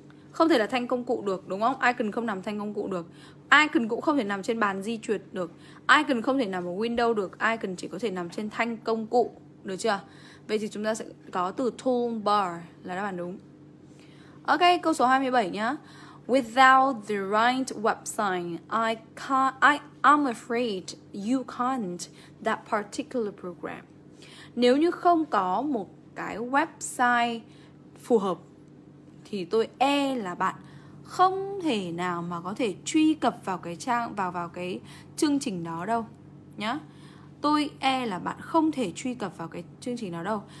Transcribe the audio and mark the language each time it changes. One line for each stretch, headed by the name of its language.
Vietnamese: Không thể là thanh công cụ được, đúng không? Icon không nằm thanh công cụ được. Icon cũng không thể nằm trên bàn di chuyển được. Icon không thể nằm ở window được. Icon chỉ có thể nằm trên thanh công cụ, được chưa? Vậy thì chúng ta sẽ có từ toolbar là đáp án đúng. Ok, câu số 27 nhá.
English: Without the right website, I'm afraid you can't that particular program.
Vietnamese: Nếu như không có một cái website phù hợp thì tôi e là bạn không thể nào mà có thể truy cập vào cái trang, vào cái chương trình đó đâu nhá. Tôi e là bạn không thể truy cập vào cái chương trình đó đâu.